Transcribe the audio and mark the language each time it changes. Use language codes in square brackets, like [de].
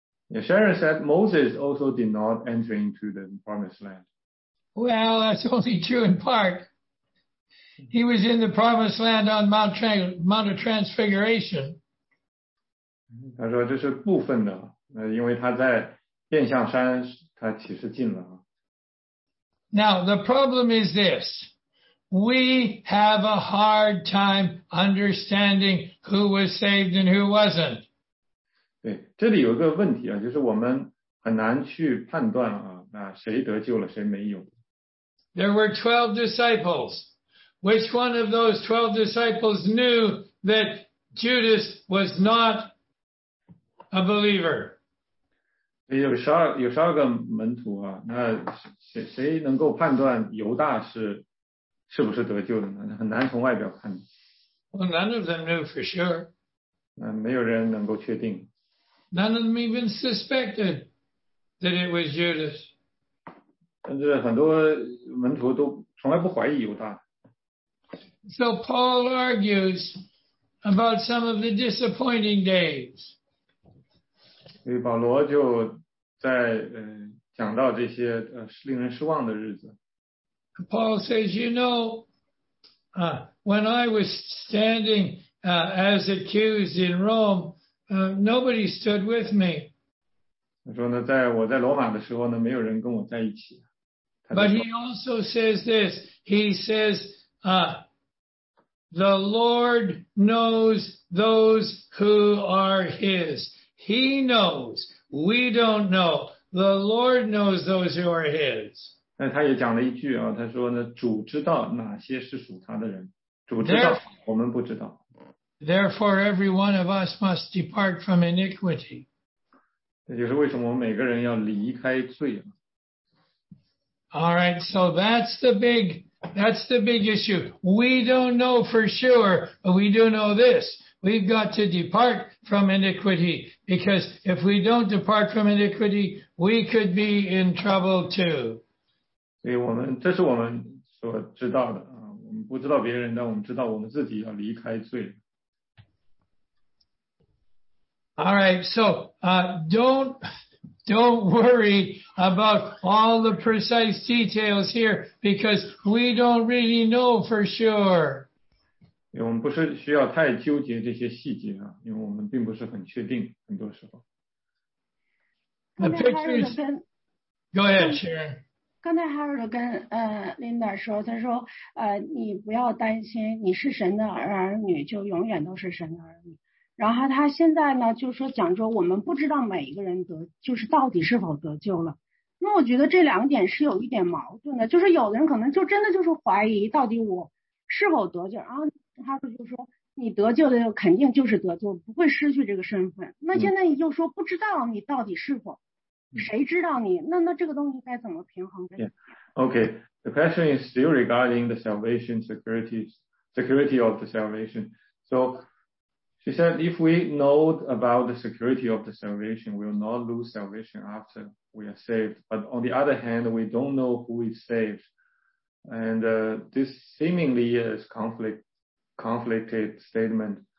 [en] Sharon said Moses also did not enter into the promised land. Well, that's only true in part. He was in the promised land on Mount of Transfiguration. [zh] 他说这是部分的，因为他在变相山，他其实进了。 [en] Now, the problem is this. We have a hard time understanding who was saved and who wasn't. [zh] 对，这里有一个问题啊，就是我们很难去判断啊，那谁得救了，谁没有。 [en] There were 12 disciples. Which one of those 12 disciples knew that Judas was not? A believer. [zh] 有十二个门徒啊，那谁能够判断犹大是不是得救的呢？很难从外表看。 [en] Well, none of them knew for sure. [zh] 没有人能够确定。 [en] None of them even suspected that it was Judas. [zh] 甚至很多门徒都从来不怀疑犹大。 [en] So Paul argues about some of the disappointing days. [zh] 所以保罗就在讲到这些令人失望的日子。 [en] Paul says, you know, when I was standing as accused in Rome, nobody stood with me. [zh] 他说呢，在我在罗马的时候呢，没有人跟我在一起。 [en] But he also says this. He says, the Lord knows those who are His. He knows. We don't know. The Lord knows those who are His. [zh] 但他也讲了一句啊，他说呢，主知道哪些是属他的人，主知道，我们不知道。 [en] Therefore, every one of us must depart from iniquity. [zh] 也就是为什么我们每个人要离开罪啊。 [en] All right, so that's the big issue. We don't know for sure, but we do know this. We've got to depart from iniquity, because if we don't depart from iniquity, we could be in trouble too. [zh] 所以我们，这是我们所知道的，我们不知道别人，但我们知道我们自己要离开罪。 [en] All right, so don't worry about all the precise details here, because we don't really know for sure. [zh] 因为我们不是需要太纠结这些细节啊，因为我们并不是很确定很多时候。 [en] Go ahead, Sharon. [zh] 刚才 Harold 跟Linda 说，他说你不要担心，你是神的儿女，就永远都是神的儿女。然后他现在呢，就是说讲说我们不知道每一个人得，就是到底是否得救了。那我觉得这两点是有一点矛盾的，就是有的人可能就真的就是怀疑到底我是否得救，然后他就说你得救的肯定就是得救，不会失去这个身份。那现在你就说不知道你到底是否，谁知道你？那这个东西该怎么平衡？ [en] Okay, the question is still regarding the salvation security of the salvation. So,She said, if we know about the security of the salvation, we will not lose salvation after we are saved. But on the other hand, we don't know who is saved. And this seemingly is conflicted statement.